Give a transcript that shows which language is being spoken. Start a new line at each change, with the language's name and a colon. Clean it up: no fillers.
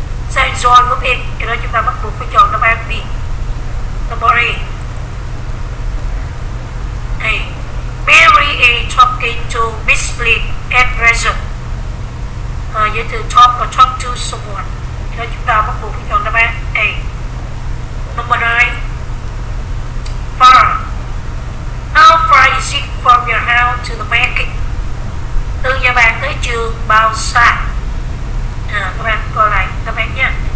Vietnamese: Sẽ enjoy với bên, cho nên chúng ta bắt buộc phải chọn đáp án B.
English: Number 8. A. Mary is talking to Miss Lee at present.
Vietnamese: Giới từ talk và
English: talk to someone,
Vietnamese: cho nên chúng ta bắt buộc phải chọn đáp án A.
English: Number 9. Far. How far is it from your house to the market?
Vietnamese: Từ nhà bạn tới trường bao xa? Các bạn coi lại các bạn nhé.